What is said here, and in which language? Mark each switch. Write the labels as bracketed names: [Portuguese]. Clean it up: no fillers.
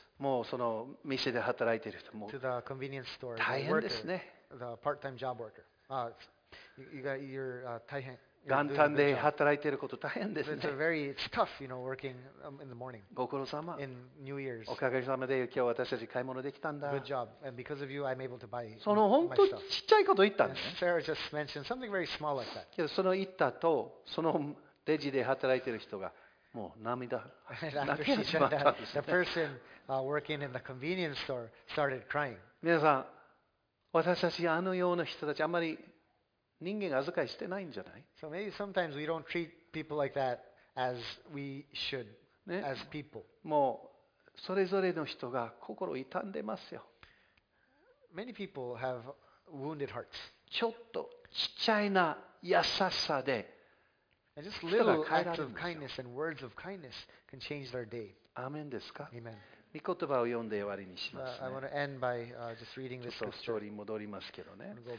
[Japanese] もうその店で働いてる人も [English] to the convenience store. [Japanese] 大変ですね。 [English] The part-time job worker. You're 大変。 [Japanese] 元旦で働いてること大変ですね。 [English] It's a very tough, working in the morning. [Japanese] ご苦労様。 [English] In New Year's. [Japanese] おかげさまで今日私たち買い物できたんだ。 [English] Good job. And because of you, I'm able to buy. [Japanese] その本当ちっちゃいこと言ったんですね。 [English] Sarah just mentioned something very small like that. [Japanese] けどその言ったとそのレジで働いてる人がもう涙泣けてしまったんですね。 [English] The person working in the convenience store started crying. [Japanese] 皆さん、私たちあのような人たちあんまり。人間扱いしてないんじゃない? [English] So maybe sometimes we don't treat people like that as we should, ね? as people. [Japanese] もうそれぞれの人が心痛んでますよ。 [English] Many people have wounded hearts. [Japanese] ちょっとちっちゃいな優しさで、 [English] And just little acts of kindness and words of kindness can change their day. [Japanese] アーメンですか? [English] Amen. [Japanese] 御言葉を読んで終わりにしますね。ちょっとストーリーに戻りますけどね。